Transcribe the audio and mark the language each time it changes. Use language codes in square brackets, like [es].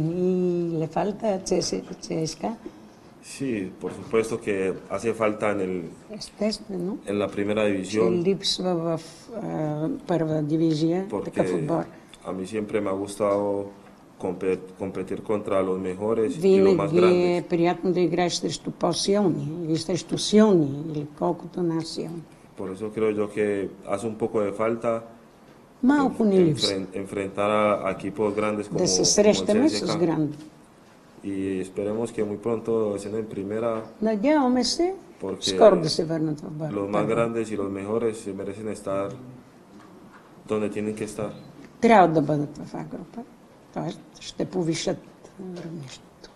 [es] ¿Y le falta CSKA? Sí, por supuesto que hace falta en el ¿no? en la primera división. El Lips va a primera división porque a mí siempre me ha gustado competir contra los mejores [bg] винаги [es] y los más grandes. [bg] Приятно да играеш срещу по-силни или срещу силни или колкото на силни. [es] Por eso creo yo que hace un poco de falta enfrentar a equipos grandes como el CSKA. Y esperemos que muy pronto estén en primera. [bg] Надяваме се, скоро да се върнат в Бърна. [es] Los más grandes y los mejores se merecen estar donde tienen que estar. [bg] Трябва да бъдат в А група, т.е. ще повишат равнището.